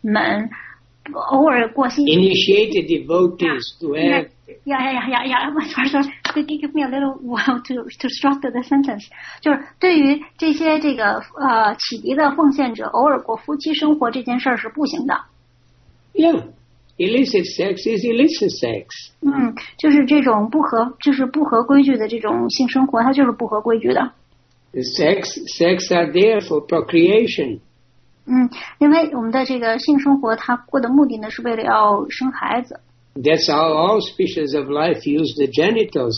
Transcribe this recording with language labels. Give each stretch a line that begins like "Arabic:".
Chinese: 对，就是已经就是在修行的这些这个居士们偶尔过心。
English: Initiated devotees to have. Yeah. Give me a little while to structure the sentence.
Chinese: 就是对于这些这个启迪的奉献者，偶尔过夫妻生活这件事儿是不行的。
English: Yeah, illicit sex is illicit sex.
Chinese: 就是这种不合规矩的这种性生活，它就是不合规矩的。
English: Sex are there for procreation.
Chinese: 因为我们的这个性生活，它过的目的呢，是为了要生孩子。
English: That's how all species of life use the genitals.